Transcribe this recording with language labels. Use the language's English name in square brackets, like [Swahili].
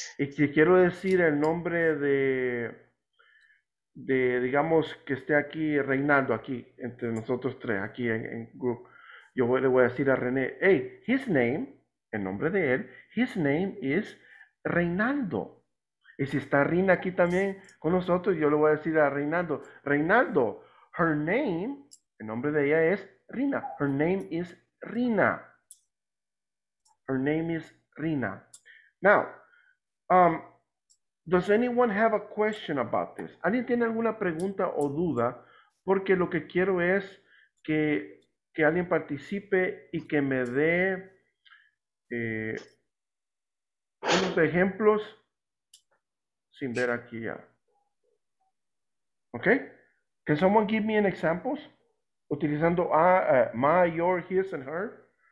[Spanish] Y si quiero decir el nombre de digamos, que esté aquí reinando aquí, entre nosotros tres, aquí en group, yo le voy a decir a René, [English] hey, his name, [Spanish] el nombre de él, [English] his name is Reinaldo. [Spanish] Y si está Rina aquí también con nosotros, yo le voy a decir a Reinaldo, Reinaldo, [English] her name, [Spanish] el nombre de ella es Rina. [English] Her name is Rina. Her name is Rina. Now, does anyone have a question about this? [Spanish] ¿Alguien tiene alguna pregunta o duda? Porque lo que quiero es que alguien participe y que me dé unos ejemplos sin ver aquí ya. [English] Okay? Can someone give me an example? [Spanish] Utilizando [English] my, your, his, and her.